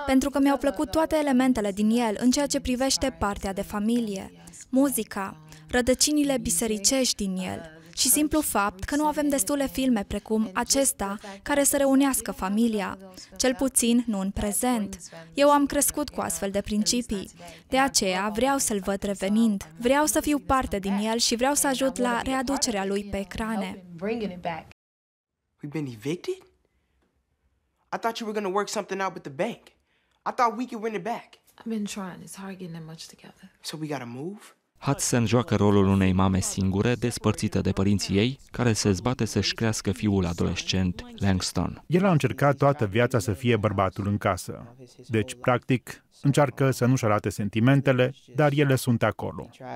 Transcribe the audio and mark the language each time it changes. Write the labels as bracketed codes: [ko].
[ro] Pentru că mi-au plăcut toate elementele din el în ceea ce privește partea de familie, muzica, rădăcinile bisericești din el și simplu fapt că nu avem destule filme precum acesta care să reunească familia, cel puțin nu în prezent. Eu am crescut cu astfel de principii, de aceea vreau să-l văd revenind. Vreau să fiu parte din el și vreau să ajut la readucerea lui pe ecrane. [en] We've been evicted? I thought you were going to work something out with the bank. I thought we could win it back. I've been trying. It's hard getting that much together. So we got to move? [ro] Hudson joacă rolul unei mame singure, despărțită de părinții ei, care se zbate să-și crească fiul adolescent, Langston. El a încercat toată viața să fie bărbatul în casă. Deci, practic, încearcă să nu-și arate sentimentele, dar ele sunt acolo.